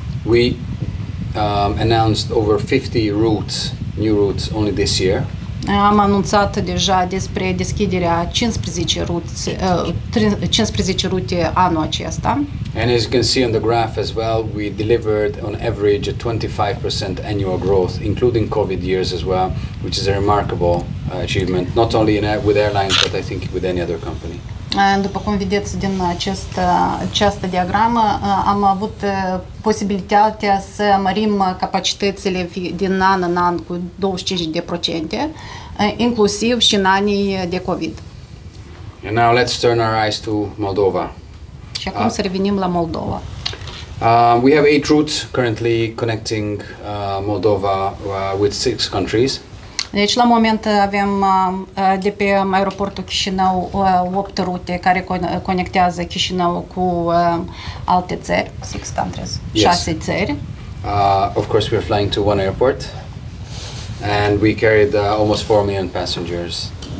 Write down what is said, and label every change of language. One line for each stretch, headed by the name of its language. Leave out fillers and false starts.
English: We announced over 50 routes, new routes, only this year.
Romanian: Am anunțat deja despre deschiderea 15 rute anul acesta.
English: And as you can see on the graph as well, we delivered on average a 25% annual growth, including COVID years as well, which is a remarkable achievement, not only with airlines, but I think with any other company.
Romanian: După cum vedeți din această diagramă, am avut posibilitatea să mărim capacitățile din an în an cu 25%, inclusiv și în anii de COVID.
English: And now let's turn our eyes to Moldova.
Romanian: Și acum să revenim la Moldova.
English: We have 8 routes currently connecting Moldova with 6 countries.
Romanian: Deci, la moment, avem de pe aeroportul Chișinău 8 rute care conectează Chișinău cu alte țări,
English: 6 countries,
Romanian: 6 țări.
English: Of course, we are flying to one airport and we carried almost 4 million passengers.